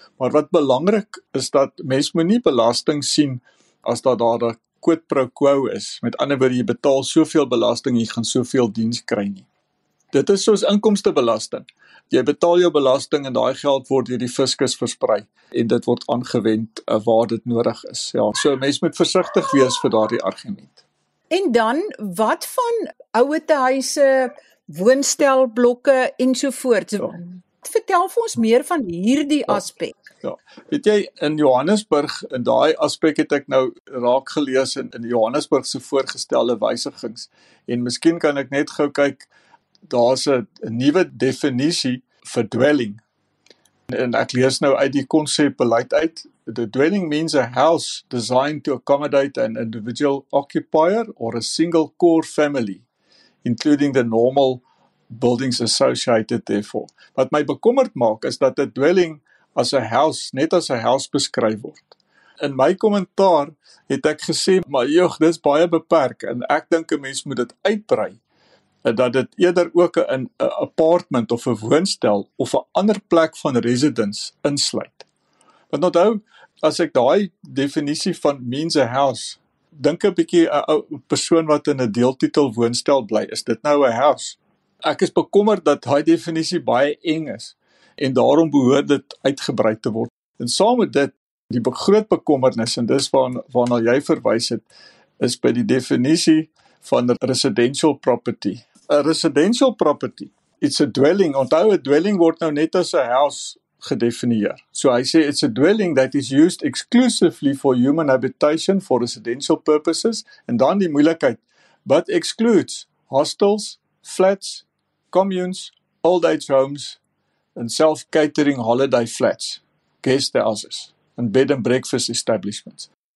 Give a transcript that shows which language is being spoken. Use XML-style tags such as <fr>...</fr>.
<af>Maar wat belangrik is dat mens moenie belasting sien as dat daar 'n quid pro quo is. Met ander woorde, jy betaal soveel belasting, jy gaan soveel diens kry nie. Dit is soos inkomstebelasting. Jy betaal jou belasting en daai geld word deur die fiskus versprei en dit word aangewend waar dit nodig is. Ja, so mens moet versigtig wees vir daardie argument. En dan, wat van ouetehuise, woonstelblokke ensovoorts? Ja. Vertel vir ons meer van hierdie aspek. Ja, weet jy, in Johannesburg, in daai aspek het ek nou raak gelees in Johannesburg se voorgestelde wysigings en miskien kan ek net gou kyk. Daar's 'n nuwe definisie vir dwelling. En ek lees nou uit die konsepbeleid uit.</af> <en>The dwelling means a house designed to accommodate an individual occupier or a single core family, including the normal buildings associated therefore.</en> <af>Wat my bekommerd maak is dat 'n dwelling as 'n house net as 'n huis beskryf word. In my kommentaar het ek gesê, maar joh, dis baie beperk en ek dink 'n mens moet dit uitbrei. Dat dit eerder ook 'n apartment of 'n woonstel of 'n ander plek van residence insluit. Want onthou, as ek daai definisie van</af> <en>means a house,</en> <af>dink 'n bietjie 'n ou persoon wat in 'n deeltitel woonstel bly, is dit nou 'n house? Ek is bekommerd dat daai definisie baie eng is en daarom behoort dit uitgebrei te word. En saam met dit, die groot bekommernis, en dis waarna jy verwys het, is by die definisie van residential property.</af> <en>A residential property, it's a dwelling.</en> <af>Onthou, a dwelling word nou net as 'n huis gedefinieer. So hy sê,</af> <en>it's a dwelling that is used exclusively for human habitation for residential purposes.</en> <af>En dan die moeilikheid,</af> <en>but excludes hostels, flats, communes, old age homes, and self-catering holiday flats, guest houses, and bed and breakfast establishments.</en>